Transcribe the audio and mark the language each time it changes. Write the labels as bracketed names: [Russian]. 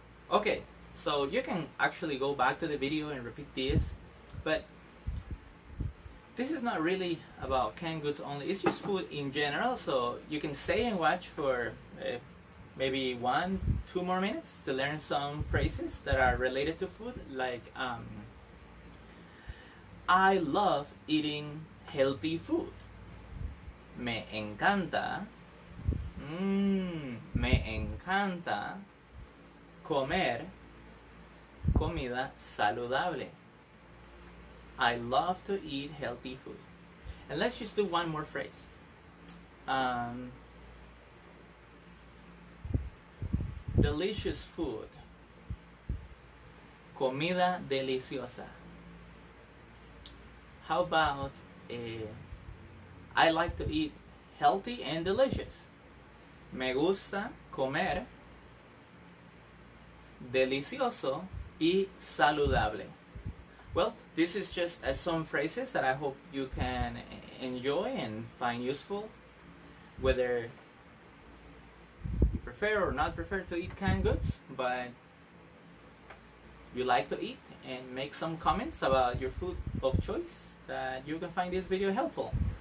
[English] Okay, so you can actually go back to the video and repeat this, but this is not really about canned goods only, it's just food in general, so you can stay and watch for maybe 1-2 more minutes to learn some phrases that are related to food, like I love eating healthy food. [Spanish] Me encanta. Me encanta comer comida saludable. [English] I love to eat healthy food. And let's just do one more phrase. Delicious food. [Spanish] Comida deliciosa. [English] How about I like to eat healthy and delicious. [Spanish] Me gusta comer delicioso y saludable. [English] Well, this is just some phrases that I hope you can enjoy and find useful, whether you prefer or not prefer to eat canned goods, but you like to eat, and make some comments about your food of choice that you can find this video helpful.